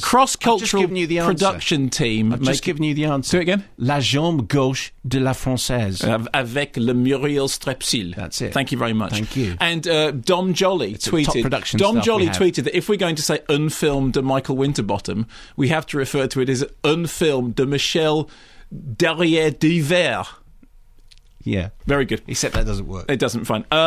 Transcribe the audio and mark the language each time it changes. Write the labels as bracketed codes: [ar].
[en] Cross-cultural production team. I've just given you the answer. Do it again. [fr] La jambe gauche de la française. Avec le Muriel Strepsil. [en] That's it. Thank you very much. Thank you. And Dom Jolly tweeted that if we're going to say [fr] un film de Michael Winterbottom, [en] we have to refer to it as [fr] un film de Michel Derrière d'Hiver. [en] Yeah. Very good. Except that doesn't work. It doesn't, fine.